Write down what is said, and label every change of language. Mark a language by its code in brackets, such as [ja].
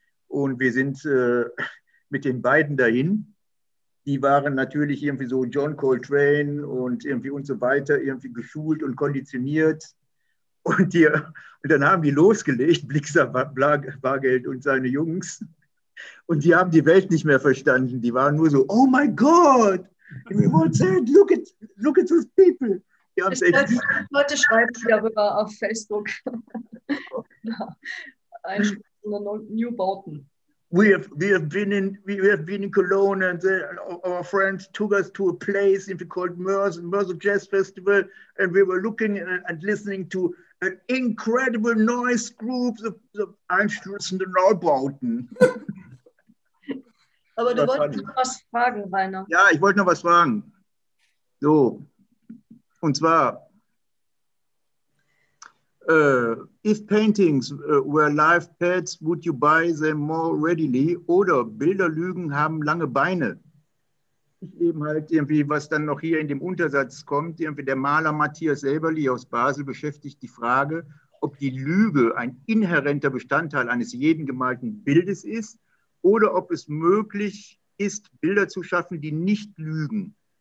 [de] Und wir sind mit den beiden dahin. Die waren natürlich irgendwie so John Coltrane und irgendwie und so weiter, irgendwie geschult und konditioniert. Und dann haben die losgelegt, Blixer Bargeld und seine Jungs. Und die haben die Welt nicht mehr verstanden. Die waren nur so, [en] oh my God, in the world said, look at those people. [de] Leute schreiben darüber auf Facebook. Neubauten. [en] We have been in Cologne and our friend took us to a place called Moers, Moers Jazz Festival, and we were looking and listening to an incredible noise group, the Einstürzende Neubauten. [de] Aber du wolltest noch was fragen, Rainer. Ja, ich wollte noch was fragen. So. Und zwar, [en] if paintings were live pets, would you buy them more readily? [de] Oder Bilderlügen haben lange Beine. Ich eben halt irgendwie, was dann noch hier in dem Untersatz kommt, irgendwie der Maler Matthias Elberli aus Basel beschäftigt die Frage, ob die Lüge ein inhärenter Bestandteil eines jeden gemalten Bildes ist oder ob es möglich ist, Bilder zu schaffen, die nicht lügen.